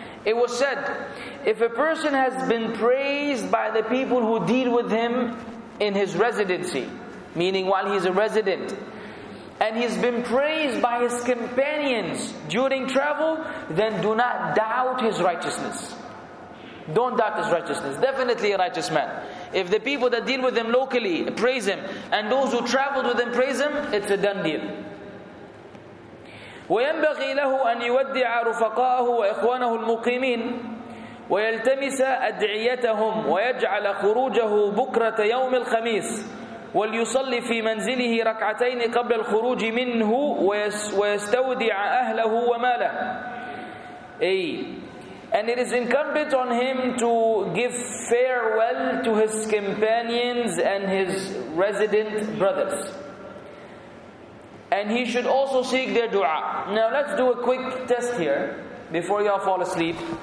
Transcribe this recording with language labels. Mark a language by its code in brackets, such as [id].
[en] It was said, if a person has been praised by the people who deal with him in his residency, meaning while he's a resident, and he's been praised by his companions during travel, then do not doubt his righteousness. Don't doubt his righteousness. Definitely a righteous man. If the people that deal with him locally praise him, and those who traveled with him praise him, it's a done deal. [ar] وينبغي له أن يودع رفقاءه وإخوانه المقيمين ويلتمس أدعيتهم ويجعل خروجه بكرة يوم الخميس وليصلي في منزله ركعتين قبل الخروج منه ويستودع أهله وماله. أي. [en] And it is incumbent on him to give farewell to his companions and his resident brothers. And he should also seek their dua. Now let's do a quick test here before y'all fall asleep.